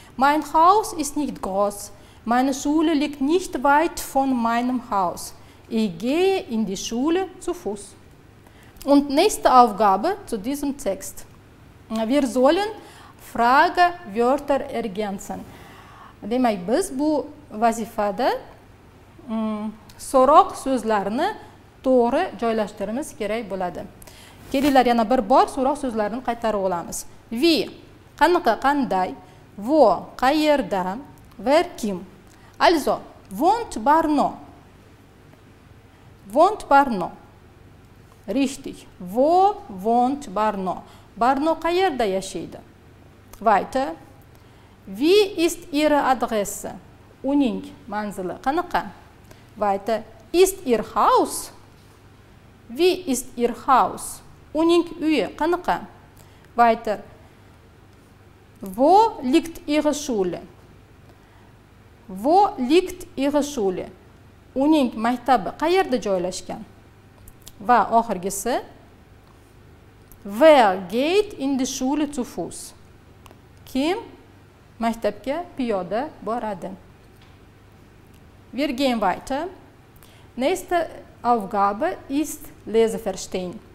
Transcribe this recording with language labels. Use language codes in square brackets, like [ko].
[de] Mein Haus ist nicht groß. Meine Schule liegt nicht weit von meinem Haus. Ich gehe in die Schule zu Fuß. Und nächste Aufgabe zu diesem Text. Wir sollen Fragewörter ergänzen. [uz] Demek biz bu vazifada so'roq so'zlarini to'g'ri joylashtirishimiz kerak bo'ladi. Kelinglar yana bir bor so'roq so'zlarini qaytarib olamiz. Vi qanaqa qanday, vo qayerda, ver kim. [de] Also, wohnt Barno? Wohnt Barno? Richtig. Wo wohnt Barno? [uz] Barno qayerda yashaydi? [de] Weiter. Wie ist ihre Adresse? [uz] Uning manzili qanaqa? [de] Weiter. Ist ihr Haus? Wie ist ihr Haus? [uz] Uning uyi qanaqa? [de] Weiter. Wo liegt ihre Schule? Wo liegt ihre Schule? [uz] Uning maktabi qayerda joylashgan? Va oxirgisi. [de] Wer geht in die Schule zu Fuß? [uz] Kim maktabga piyoda boradi? [de] Wir gehen weiter. Nächste Aufgabe ist Leseverstehen.